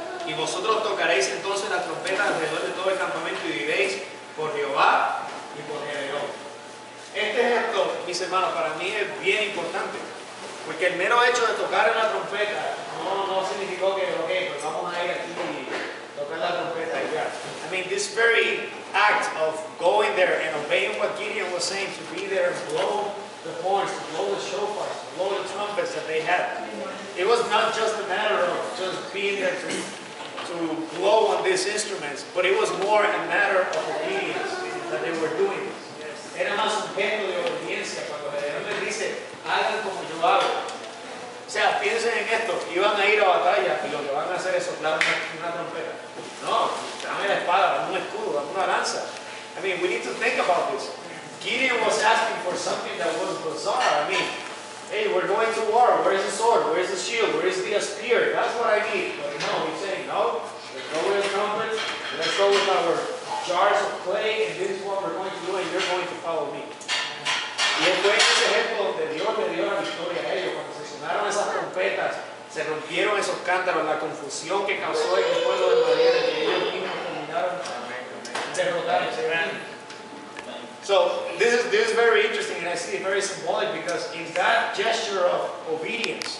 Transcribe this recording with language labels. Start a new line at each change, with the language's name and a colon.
Spanish: Y vosotros tocaréis entonces la trompeta alrededor de todo el campamento y diréis por Jehová y por Gedeón. Este ejemplo, mis hermanos, para mí es bien importante. Porque el mero hecho de tocar en la trompeta no significó que, ok, pues vamos a ir aquí y tocar la trompeta y ya.
English: I mean, this very act of going there and obeying what Gideon was saying, to be there and blow the horns, to blow the shofars, to blow the trumpets that they had. It was not just a matter of just being there to blow on these instruments, but it was more a matter of obedience that they were doing.
Spanish: Era más un gesto de obediencia cuando Gideon les dice, hagan como yo hago. O sea, piensen en esto, iban a ir a batalla y lo que van a hacer es soplar una trompeta. No, dame la espada, dame un escudo, dame una lanza.
English: I mean, we need to think about this. Gideon was asking for something that was bizarre. I mean, hey, we're going to war. Where is the sword? Where is the shield? Where is the spear? That's what I need. But no, he's saying, no, let's go with the trumpets. Let's go with our jars of clay. And this is what we're going to do, and you're going to follow me.
Spanish: Y el buen ejemplo de Dios le dio la victoria a ellos. Cuando se sonaron esas trompetas, se rompieron esos cántaros, la confusión que causó en el pueblo de Madian, que ellos mismos terminaron derrotados.
English: So, this is very interesting, and I see it very symbolic, because in that gesture of obedience,